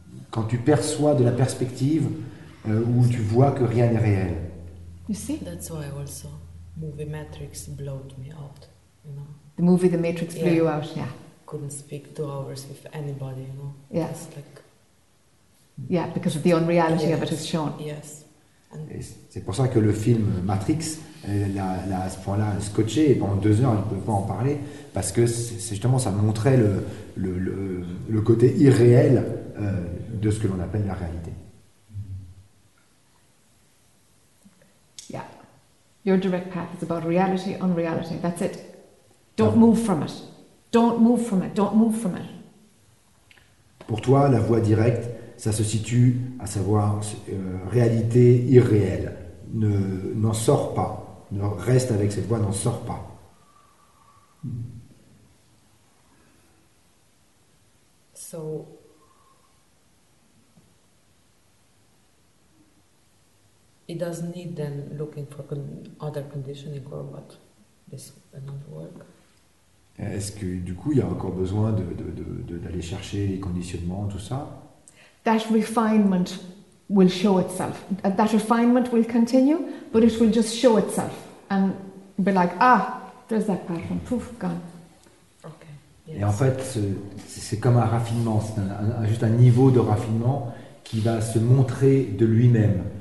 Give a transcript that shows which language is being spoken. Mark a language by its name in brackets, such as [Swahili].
[French] Quand tu perçois de la perspective où tu vois que rien n'est réel. [English] You see? That's why also movie Matrix blew me out. You know? The movie The Matrix blew you out, yeah. Couldn't speak 2 hours with anybody, you know? Yeah. Just like... Yeah, because of the unreality of it is shown. Yes. And... [French] C'est pour ça que le film Matrix l'a à ce point-là scotché et pendant 2 heures, elle ne pouvait pas en parler parce que c'est justement ça montrait le côté irréel de ce que l'on appelle la réalité. [English] Yeah, your direct path is about reality, unreality. That's it. Don't move from it. Don't move from it. Don't move from it. [French] Pour toi, la voie directe, ça se situe à savoir réalité irréelle. N'en sors pas. Ne reste avec cette voie. N'en sors pas. [English] So. It doesn't need then looking for other conditioning or what this doesn't work. [French] Est-ce que du coup il y a encore besoin d'aller chercher les conditionnements tout ça? [English] That refinement will show itself. That refinement will continue, but it will just show itself and be like, ah, there's that pattern, poof, gone. Okay. [French] Yes. Et en fait, c'est comme un raffinement, c'est juste un niveau de raffinement qui va se montrer de lui-même.